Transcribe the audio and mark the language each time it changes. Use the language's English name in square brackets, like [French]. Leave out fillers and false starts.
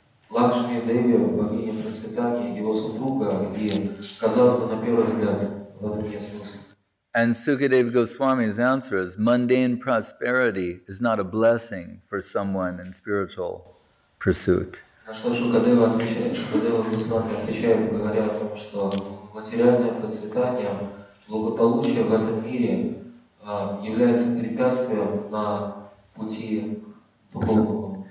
[Russian] Лакшми Деви, богиня процветания, его супруга, и, казалось бы, на первый взгляд, в этом нет смысла. [English] And Sukadeva Goswami's answer is, mundane prosperity is not a blessing for someone in spiritual pursuit. [Russian] На что Шукадева отвечает, Шукадева Госвами отвечает, говоря о том, что материальное процветание, благополучие в этом мире является препятствием на пути духовному.